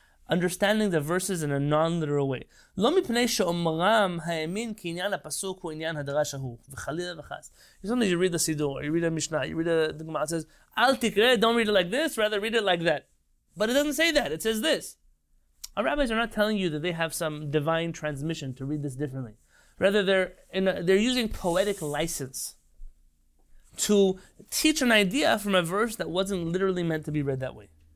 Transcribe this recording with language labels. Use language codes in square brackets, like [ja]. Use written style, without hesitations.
[en] Understanding the verses in a non-literal way. [he] לא מפני שאומרם האמין כי עניין הפסוק הוא עניין הדרש ההוא, וחלילה וחס. [en] Sometimes you read the Siddur, you read the Mishnah, you read the Gemara, it says, [he] אל תקרא, [en] don't read it like this, rather read it like that. But it doesn't say that, it says this. Our rabbis are not telling you that they have some divine transmission to read this differently. Rather, they're using poetic license to teach an idea from a verse that wasn't literally meant to be read that way.